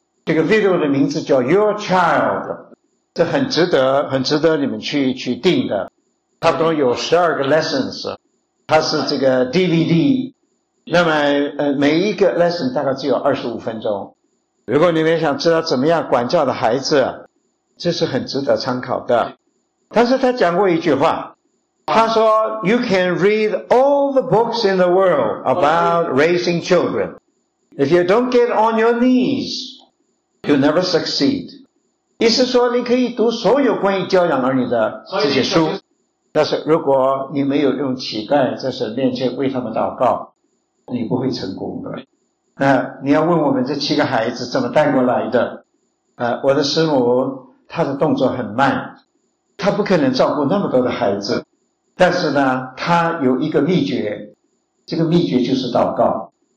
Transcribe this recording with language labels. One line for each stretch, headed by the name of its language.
Chinese: 这个 video 的名字叫 Your Child， 这很值得，很值得你们去订的。差不多有12个 lessons， 它是这个 DVD， 那么每一个 lesson 大概只有25分钟。如果你们想知道怎么样管教的孩子，这是很值得参考的。但是他讲过一句话，他说
English: You can read all the books in the world about raising children. If you don't get on your knees, you'll never succeed.
Chinese: 意思说你可以读所有关于教养儿女的这些书，但是如果你没有用乞丐在神面前为他们祷告，你不会成功的。那你要问我们这七个孩子怎么带过来的，我的师母她的动作很慢，她不可能照顾那么多的孩子，但是呢她有一个秘诀，这个秘诀就是祷告。